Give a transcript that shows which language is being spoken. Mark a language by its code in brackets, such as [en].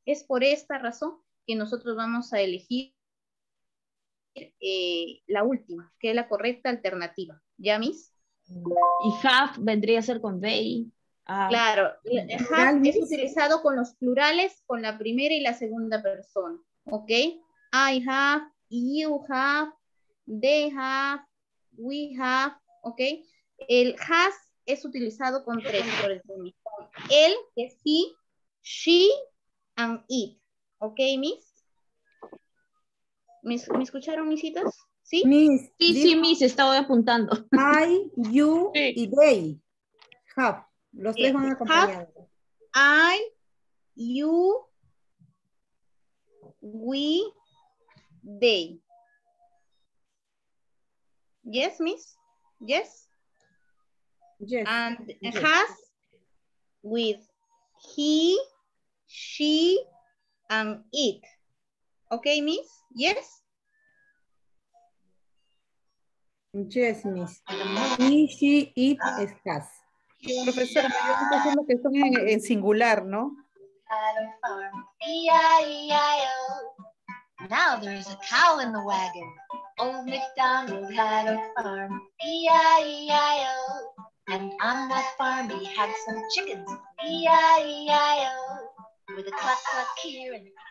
[es] Es por esta razón que nosotros vamos a elegir la última, que es la correcta alternativa. ¿Ya, Miss? Y have vendría a ser con they. Claro, have es utilizado con los plurales, con la primera y la segunda persona. ¿Ok? [en] I have, you have, they have, we have. [es] ¿Ok? El has es utilizado con tres, por el feminismo. Él, que es [en] he, she, and it. [es] ¿Ok, Miss? ¿Me escucharon, misitas? ¿Sí? Miss, sí, sí, Miss, estaba apuntando. [en] I, you, [es] sí. [en] Y they. Have. [es] Los tres van acompañados. [en] I, you, we, they. Yes, Miss? Yes? Yes. And yes. Has with he, she, and it. Okay, Miss? Yes? Yes, Miss. He, she, it, is has. [es] Profesora, yo estoy haciendo que son en singular, ¿no? E-I-E-I-O. [en] Now there is a cow in the wagon. Old MacDonald had a farm. E-I-E-I-O. And on that farm he had some chickens. E-I-E-I-O. With a cluck cluck here and